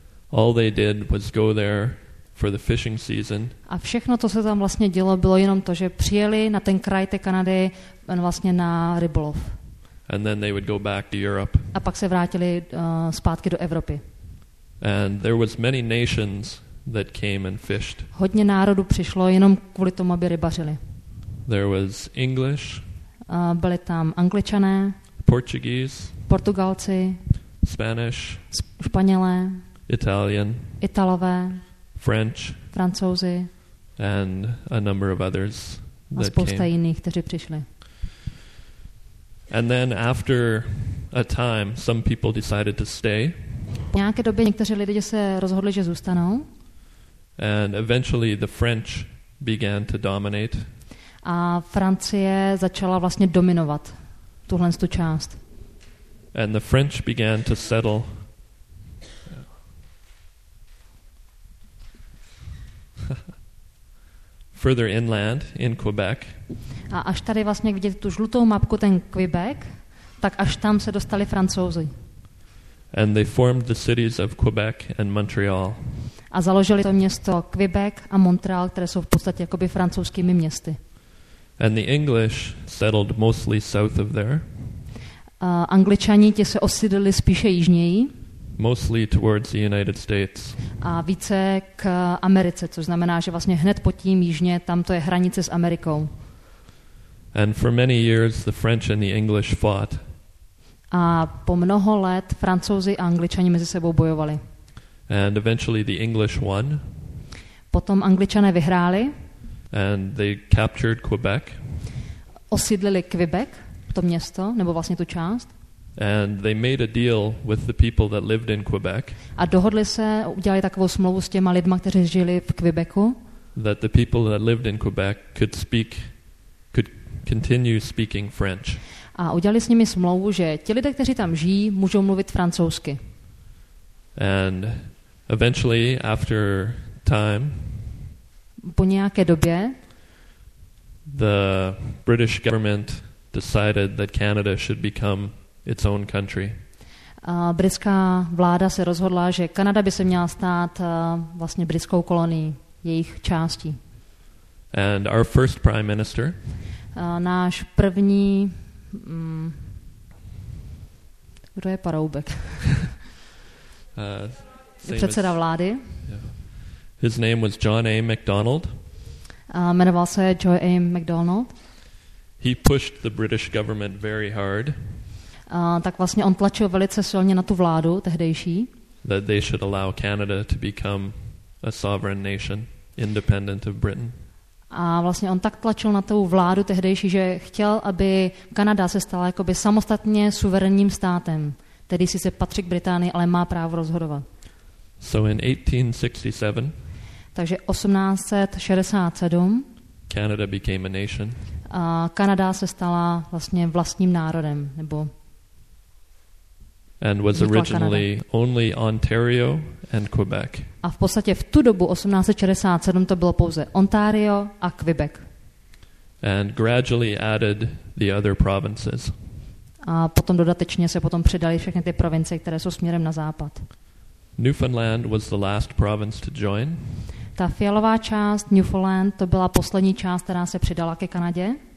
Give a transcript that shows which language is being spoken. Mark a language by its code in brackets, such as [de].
[en] All they did was go there for the fishing season. [cs] A všechno, co se tam vlastně dělo, bylo jenom to, že přijeli na ten kraj té Kanady vlastně na rybolov. [en] And then they would go back to Europe. [cs] A pak se vrátili zpátky do Evropy. [en] And there was many nations that came and fished. [cs] Hodně národů přišlo jenom kvůli tomu, aby rybařili. [en] There was English. [cs] Byli tam Angličané. [en] Portuguese. [cs] Portugalci. [en] Spanish. [cs] Španělé. [en] Italian. [cs] Italové. [en] French. [cs] Francouzi. [en] And a number of others that came. [cs] A spousta jiných, kteří přišli. [en] And then after a time some people decided to stay. [cs] V nějaké době někteří lidé se rozhodli, že zůstanou. [en] And eventually the French began to dominate. [cs] A Francie začala vlastně dominovat tuhle tu část. [en] And the French began to settle. Further inland in Quebec. [cs] A až tady vlastně vidět tu žlutou mapku, ten Quebec, tak až tam se dostali Francouzi. [en] And they formed the cities of Quebec and Montreal. [cs] A založili to město Quebec a Montreal, které jsou v podstatě jakoby francouzskými městy. [en] And the English settled mostly south of there. [cs] Angličani, ti se osídlili spíše jižněji. [en] Mostly towards the United States. [cs] A více k Americe, což znamená, že vlastně hned pod tím jižně, tam to je hranice s Amerikou. [en] And for many years the French and the English fought. [cs] A po mnoho let Francouzi a Angličani mezi sebou bojovali. [en] And eventually the English won. [cs] Potom Angličané vyhráli. [en] And they captured Quebec. [cs] Osídlili Quebec, to město, nebo vlastně tu část. [en] And they made a deal with the people that lived in Quebec. [cs] A dohodli se, udělali takovou smlouvu s těma lidma, kteří žili v Quebecu. [en] That the people that lived in Quebec could speak, could continue speaking French. [cs] A udělali s nimi smlouvu, že ti lidé, kteří tam žijí, můžou mluvit francouzsky. [en] And eventually, after time, [cs] po nějaké době, [en] the British government decided that Canada should become its own country. [cs] Britská vláda se rozhodla, že Kanada by se měla stát vlastně britskou kolonií, jejich částí. [en] And our first prime minister, [cs] náš první, kdo je Paroubek? Předseda vlády. [en] His name was John A. Macdonald. [cs] Jmenoval se John A. Macdonald. [en] He pushed the British government very hard. [cs] Tak vlastně on tlačil velice silně na tu vládu tehdejší. [en] That they should allow Canada to become a sovereign nation, independent of Britain. [cs] A vlastně on tak tlačil na tu vládu tehdejší, že chtěl, aby Kanada se stala jakoby samostatně suverénním státem, tedy sice patří k Británii, ale má právo rozhodovat. [en] So in 1867, [cs] takže 1867 [en] Canada became a nation. [cs] A Kanada se stala vlastně vlastním národem, nebo [en] and was originally only Ontario and Quebec. [cs] A v podstatě v tu dobu 1867 to bylo pouze Ontario a Quebec. [en] And gradually added the other provinces. [cs] A potom dodatečně se potom přidali všechny ty provincie, které jsou směrem na západ. [en] Newfoundland was the last province to join. [cs] Ta fialová část Newfoundland, to byla poslední část, která se přidala ke Kanadě.